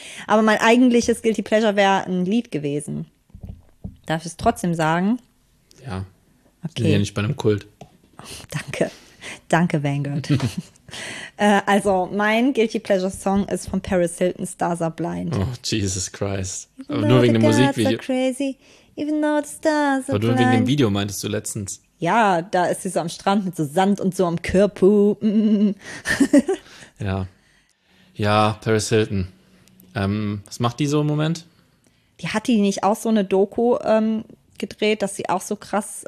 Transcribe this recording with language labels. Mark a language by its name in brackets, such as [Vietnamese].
[German] Aber mein eigentliches Guilty Pleasure wäre ein Lied gewesen. Darf ich es trotzdem sagen? Ja. Okay. Sind ja nicht bei einem Kult. Danke. Danke, Vanguard. Also, mein Guilty Pleasure Song ist von Paris Hilton, Stars Are Blind. [English] Oh, Jesus Christ. [German] Aber nur wegen dem Musikvideo. [English] Crazy, even though the stars are blind. [German] Aber nur wegen dem Video meintest du letztens. Ja, da ist sie so am Strand mit so Sand und so am Körper. Ja. Ja, Paris Hilton. Was macht die so im Moment? Die hat die nicht auch so eine Doku gedreht, dass sie auch so krass